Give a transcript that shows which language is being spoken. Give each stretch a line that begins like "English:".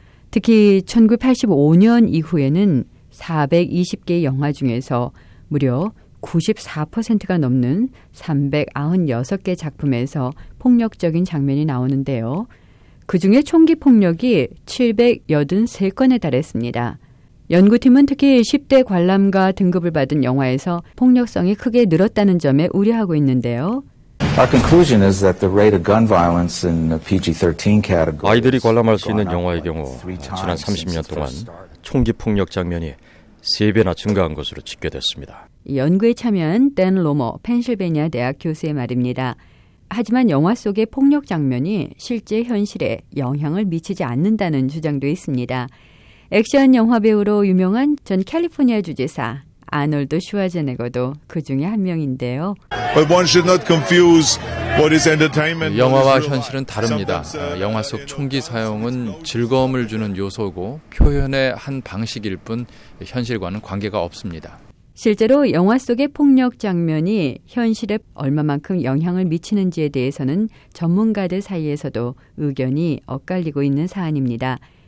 Korean: 특히 1985년 이후에는 420개 영화 중에서 무려 94%가 넘는 396개 작품에서 폭력적인 장면이 나오는데요. 그 중에 총기 폭력이 783건에 달했습니다. 연구팀은 특히 10대 관람가 등급을 받은 영화에서 폭력성이 크게 늘었다는 점에 우려하고 있는데요.
English: Our conclusion is that the rate of gun violence in the PG-13 category.
Korean: 아이들이 관람할 수 있는 영화의 경우 지난 30년 동안 총기 폭력 장면이 3배나 증가한 것으로 집계됐습니다. 연구에 참여한 댄 로머 펜실베니아 대학 교수의 말입니다. 하지만 영화 속의 폭력 장면이 실제 현실에 영향을 미치지 않는다는 주장도 있습니다. 액션 영화 배우로 유명한 전 캘리포니아 주지사 아놀드 슈와제네거도 그 중에 한 명인데요.
English: But one should not confuse what is entertainment.
Korean: 영화와 현실은 다릅니다. 영화 속 총기 사용은 즐거움을 주는 요소고 표현의 한 방식일 뿐 현실과는 관계가 없습니다. 실제로 영화 속의 폭력 장면이 현실에 얼마만큼 영향을 미치는지에 대해서는 전문가들 사이에서도 의견이 엇갈리고 있는 사안입니다.